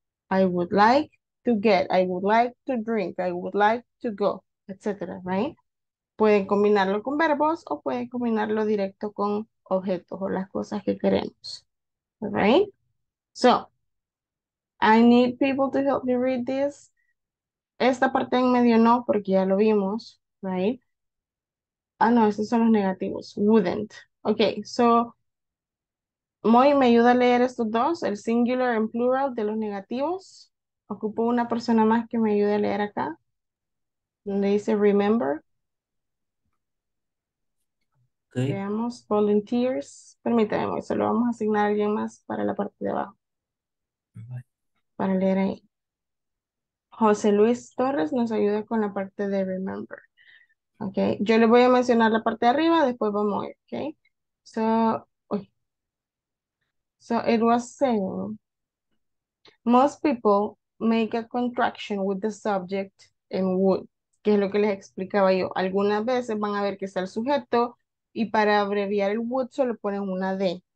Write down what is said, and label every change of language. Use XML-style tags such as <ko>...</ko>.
<en>I would like to get, I would like to drink, I would like to go, etc. Right?</en> <es>Pueden combinarlo con verbos o pueden combinarlo directo con objetos o las cosas que queremos.</es> <en>Right? So, I need people to help me read this.</en> <es>Esta parte en medio no, porque ya lo vimos, right? Ah, no, esos son los negativos. Wouldn't. Okay, so, Moy, ¿me ayuda a leer estos dos? El singular</es> <en>and plural</en> <es>de los negativos. Ocupo una persona más que me ayude a leer acá. Donde dice remember. Okay. Veamos, volunteers. Permítanme, se lo vamos a asignar a alguien más para la parte de abajo. Bye. Para leer ahí. José Luis Torres nos ayuda con la parte de remember. Okay. Yo le voy a mencionar la parte de arriba, después vamos a ir.</es> <en>Okay. So, uy. So it was saying, most people make a contraction with the subject and would,</en> <es>que es lo que les explicaba yo. Algunas veces van a ver que está el sujeto y para abreviar el would solo ponen una D.</es>